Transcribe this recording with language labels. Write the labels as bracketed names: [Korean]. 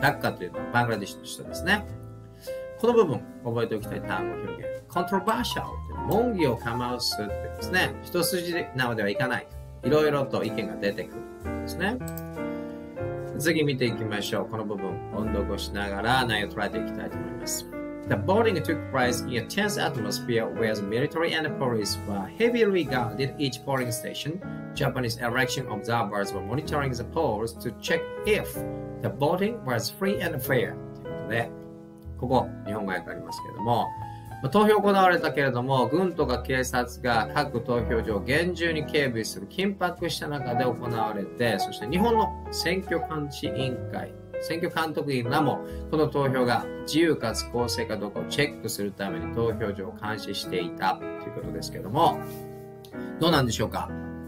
[Japanese] ダッカというのはバングラディッシュの首相ですね。この部分覚えておきたい単語表現、コントロバーシャルって門戸をかますってですね、一筋縄ではいかない、いろいろと意見が出てくるんですね。次見ていきましょう。この部分音読をしながら内容を捉えていきたいと思います。 [English] The voting took place in a tense atmosphere where the military and the police were heavily guarded each polling station. Japanese election observers were monitoring the polls to check if the voting was free and fair. [Japanese] ということで、ここ日本語訳ありますけれども、まあ、投票行われたけれども、軍とか警察が各投票所を厳重に警備する、緊迫した中で行われて、そして日本の選挙監視委員会、選挙監督員らもこの投票が自由かつ公正かどうかをチェックするために投票所を監視していたということですけれども、どうなんでしょうか。